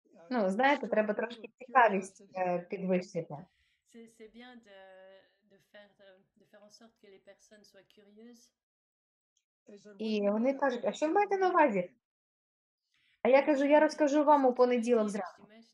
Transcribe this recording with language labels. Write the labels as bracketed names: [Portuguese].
[Ukrainian] Ну, знаєте, треба трошки цікавість підвищити. [French] C'est bien de faire en sorte que les personnes soient curieuses. [Ukrainian] І вони кажуть: "А що ви маєте на увазі?" А я кажу: "Я розкажу вам у понеділок зранку".